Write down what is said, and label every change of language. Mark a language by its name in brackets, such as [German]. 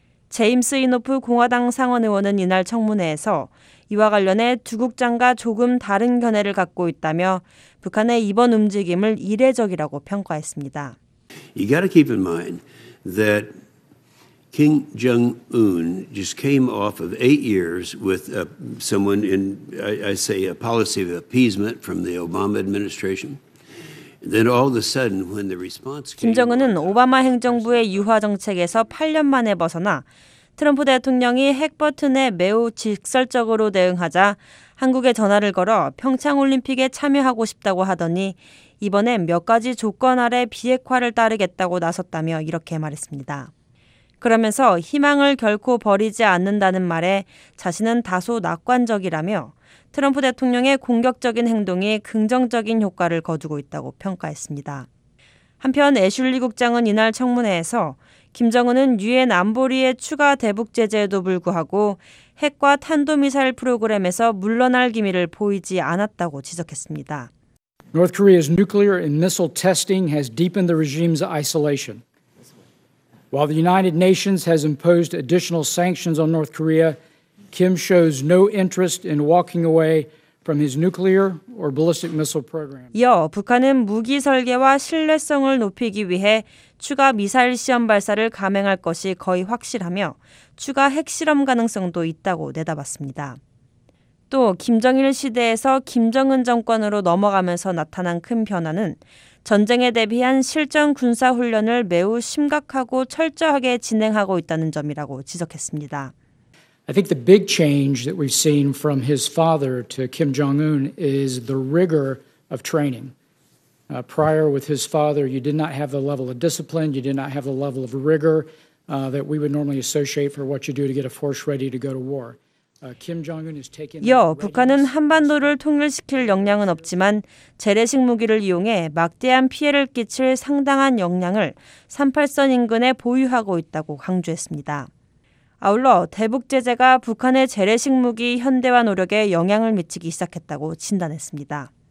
[Korean] 제임스 이노프 공화당 상원 의원은 이날 청문회에서 이와 관련해 두 국장과 조금 다른 견해를 갖고 있다며 북한의 이번 움직임을 이례적이라고 평가했습니다. [English] You got to keep in mind that Kim Jong-un just came off of 8 years with someone in, I say, a policy of appeasement from the Obama administration. Then all of a sudden, when the response came, [Korean] 김정은은 오바마 행정부의 유화 정책에서 8년 만에 벗어나 트럼프 대통령이 핵 버튼에 매우 직설적으로 대응하자 한국에 전화를 걸어 평창 올림픽에 참여하고 싶다고 하더니 이번엔 몇 가지 조건 아래 비핵화를 따르겠다고 나섰다며 이렇게 말했습니다. 그러면서 희망을 결코 버리지 않는다는 말에 자신은 다소 낙관적이라며 트럼프 대통령의 공격적인 행동이 긍정적인 효과를 거두고 있다고 평가했습니다. 한편 애슐리 국장은 이날 청문회에서 김정은은 유엔 안보리의 추가 대북 제재에도 불구하고 핵과 탄도미사일 프로그램에서 물러날 기미를 보이지 않았다고 지적했습니다. [English] North Korea's nuclear and missile testing has deepened the regime's isolation. While the United Nations has imposed additional sanctions on North Korea, Kim shows no interest in walking away from his nuclear or ballistic missile program. [Korean] 이어 북한은 무기 설계와 신뢰성을 높이기 위해 추가 미사일 시험 발사를 감행할 것이 거의 확실하며 추가 핵실험 가능성도 있다고 내다봤습니다. 또 김정일 시대에서 김정은 정권으로 넘어가면서 나타난 큰 변화는 전쟁에 대비한 실전 군사 훈련을 매우 심각하고 철저하게 진행하고 있다는 점이라고 지적했습니다. [English] I think the big change that we've seen from his father to Kim Jong-un is the rigor of training. Prior with his father, you did not have the level of discipline, you did not have the level of rigor that we would normally associate for what you do to get a force ready to go to war. [Korean] 이어 북한은 한반도를 통일시킬 역량은 없지만 재래식 무기를 이용해 막대한 피해를 끼칠 상당한 역량을 38선 인근에 보유하고 있다고 강조했습니다. 아울러 대북 제재가 북한의 재래식 무기 현대화 노력에 영향을 미치기 시작했다고 진단했습니다.